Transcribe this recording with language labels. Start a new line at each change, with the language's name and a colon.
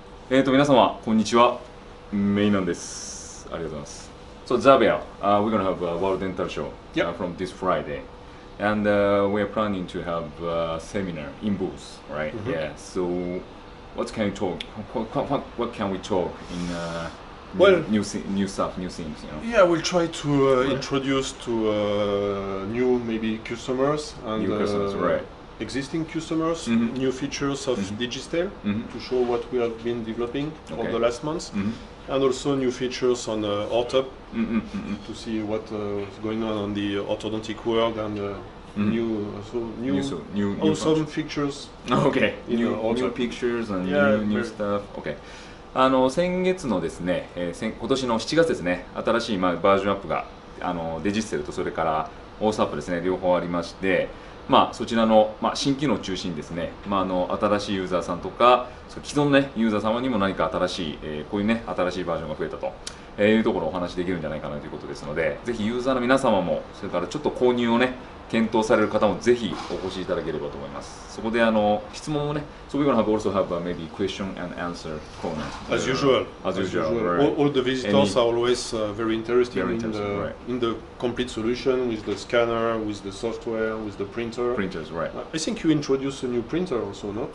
Japanese: 皆様こんにちは、メイなんです。ありがとうございます。
English: So Xavier, we're gonna have a World Dental Show、 yep. From this Friday. And、we're planning to have a seminar in booth, right?、Mm-hmm. Yeah, so what can we talk? What can we talk in、 well, new stuff, new things? You know? Yeah, we'll try to、introduce to、new maybe customers and new customers,、right. existing customers、mm-hmm. new features of、mm-hmm. Digistel、 mm-hmm. to show what we have been developing、 okay. over the last months、 mm-hmm. and also new features on Ortop、 mm-hmm. to see what is going on the orthodontic world and、mm-hmm. new awesome features. Okay, new pictures and yeah, new stuff.
Japanese: Okay, あの先月のですね、今年の7月ですね、新しい、まあ、バージョンアップがあのデジステルとそれからオーサップですね、両方ありまして、まあ、そちらの、まあ、新機能を中心にですね、まあ、あの新しいユーザーさんとか既存の、ね、ユーザー様にも何か新しい、こういう、ね、新しいバージョンが増えたと、いうところをお話しできるんじゃないかなということですので、ぜひユーザーの皆様もそれからちょっと購入を、ね、検討される方もぜひお越しいただければと思います。そこであの質問をね、
English: So we're going to also have a maybe question and answer corner as usual. All the visitors are always very interested in the complete solution with the scanner, with the software, with the printer. Printers, right. I think you introduced a new printer also, no?